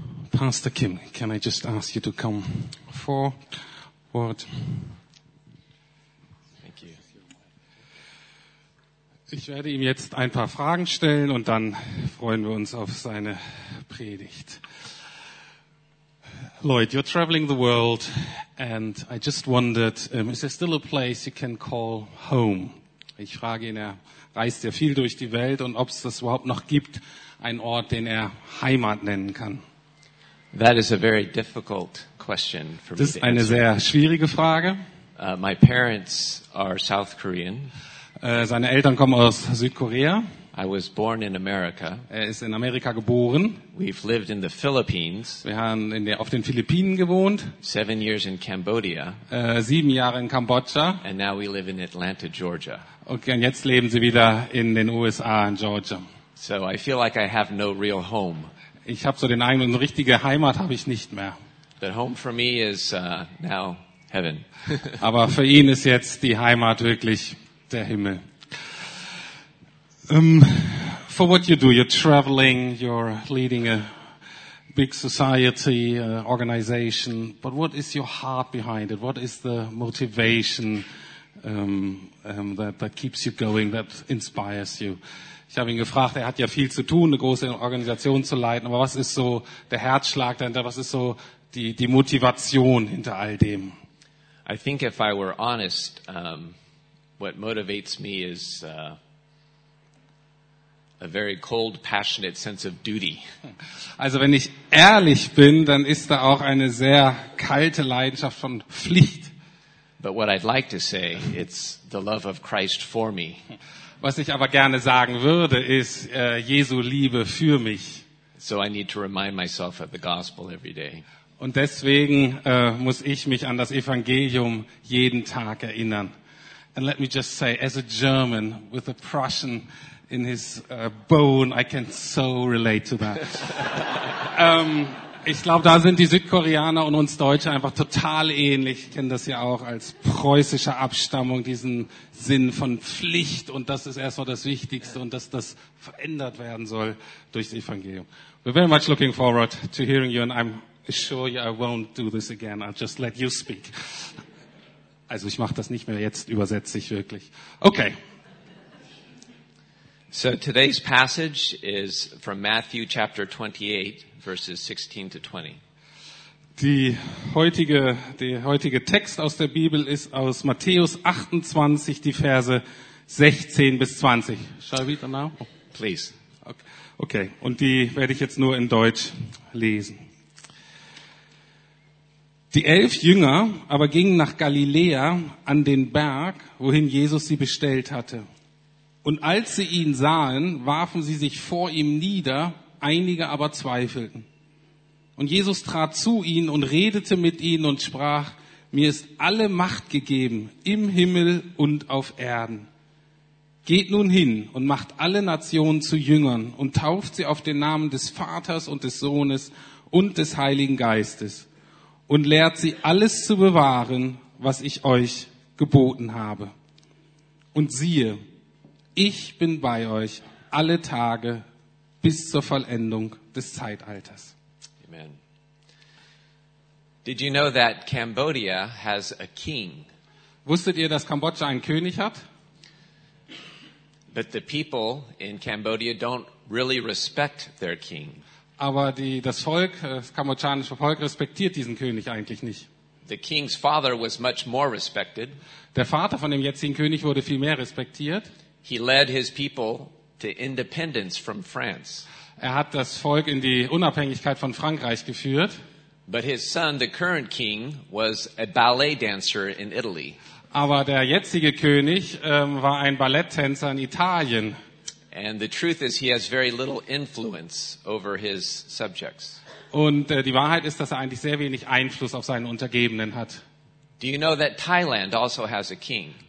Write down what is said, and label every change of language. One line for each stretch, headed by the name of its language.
English: Pastor Kim, can I just ask you to come forward? Thank you.
German: Ich werde ihm jetzt ein paar Fragen stellen und dann freuen wir uns auf seine Predigt.
English: Lloyd, you're traveling the world and I just wondered, is there still a place you can call home?
German: Ich frage ihn, er reist ja viel durch die Welt und ob es das überhaupt noch gibt, einen Ort, den er Heimat nennen kann.
English: That is a very difficult question for me to answer.
German: Das ist eine sehr schwierige Frage.
English: My parents are South Korean.
German: Seine Eltern kommen aus Südkorea.
English: I was born in America.
German: Er ist in Amerika geboren.
English: We've lived in the Philippines.
German: Wir haben auf den Philippinen gewohnt.
English: 7 years in Cambodia.
German: 7 Jahre in Kambodscha.
English: And now we live in Atlanta, Georgia.
German: Okay, und jetzt leben sie wieder in den USA, in Georgia.
English: So I feel like I have no real home.
German: Ich habe so den eigenen, eine richtige Heimat habe ich nicht mehr.
English: But home for me is now heaven.
German: Aber für ihn ist jetzt die Heimat wirklich der Himmel.
English: For what you do, you're traveling, you're leading a big society, organization, but what is your heart behind it? What is the motivation that keeps you going, that inspires you?
German: Ich habe ihn gefragt, er hat ja viel zu tun, eine große Organisation zu leiten, aber was ist so der Herzschlag dahinter, was ist so die Motivation hinter all dem?
English: I think if I were honest, what motivates me is a very cold, passionate sense of duty.
German: Also wenn ich ehrlich bin, dann ist da auch eine sehr kalte Leidenschaft von Pflicht.
English: But what I'd like to say, it's the love of Christ for me.
German: Was ich aber gerne sagen würde, ist Jesu Liebe für mich.
English: So I need to remind myself of the gospel every day.
German: Und deswegen muss ich mich an das Evangelium jeden Tag erinnern.
English: And let me just say, as a German with a Prussian in his bone, I can so relate to that.
German: Ich glaube, da sind die Südkoreaner und uns Deutsche einfach total ähnlich. Ich kenne das ja auch als preußischer Abstammung, diesen Sinn von Pflicht. Und das ist erstmal das Wichtigste und dass das verändert werden soll durch das Evangelium.
English: We're very much looking forward to hearing you and I'm sure you, I won't do this again. I'll just let you speak.
German: Also ich mache das nicht mehr, jetzt übersetze ich wirklich. Okay.
English: So today's passage is from Matthew chapter 28, verses 16 to 20.
German: Der heutige Text aus der Bibel ist aus Matthäus 28, die Verse 16 bis 20.
English: Shall I read them now? Please.
German: Okay, und die werde ich jetzt nur in Deutsch lesen. Die 11 Jünger aber gingen nach Galiläa an den Berg, wohin Jesus sie bestellt hatte. Und als sie ihn sahen, warfen sie sich vor ihm nieder, einige aber zweifelten. Und Jesus trat zu ihnen und redete mit ihnen und sprach, mir ist alle Macht gegeben, im Himmel und auf Erden. Geht nun hin und macht alle Nationen zu Jüngern und tauft sie auf den Namen des Vaters und des Sohnes und des Heiligen Geistes und lehrt sie alles zu bewahren, was ich euch geboten habe. Und siehe, ich bin bei euch alle Tage bis zur Vollendung des Zeitalters. Amen.
English: Did you know that Cambodia has a king?
German: Wusstet ihr, dass Kambodscha einen König hat?
English: But the people in Cambodia don't really respect their king.
German: Aber das kambodschanische Volk respektiert diesen König eigentlich nicht.
English: The king's father was much more respected.
German: Der Vater von dem jetzigen König wurde viel mehr respektiert.
English: He led his people to independence from France.
German: Er hat das Volk in die Unabhängigkeit von Frankreich geführt.
English: But his son, the current king, was a ballet dancer in Italy.
German: Aber der jetzige König war ein Balletttänzer in Italien.
English: And the truth is, he has very little influence over his subjects.
German: Und die Wahrheit ist, dass er eigentlich sehr wenig Einfluss auf seine Untergebenen hat.
English: Do you know that Thailand also has a king?